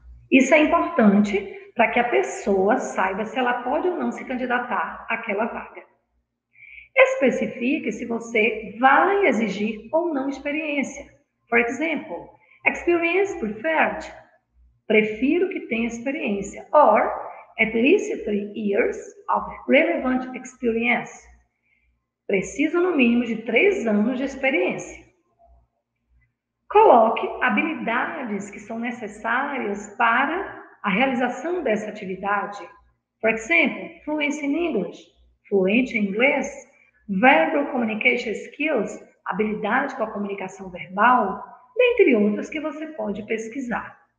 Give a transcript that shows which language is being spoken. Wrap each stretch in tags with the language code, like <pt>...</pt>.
<pt>Isso é importante para que a pessoa saiba se ela pode ou não se candidatar àquela vaga. Especifique se você vai exigir ou não experiência.</pt> <en>For example, experience preferred.</en> <pt>Prefiro que tenha experiência.</pt> <en>Or, at least 3 years of relevant experience.</en> <pt>Preciso no mínimo de 3 anos de experiência. Coloque habilidades que são necessárias para a realização dessa atividade.</pt> <en>For example, fluency in English,</en> <pt>fluente em inglês,</pt> <en>verbal communication skills,</en> <pt>habilidade com a comunicação verbal, dentre outras que você pode pesquisar.</pt>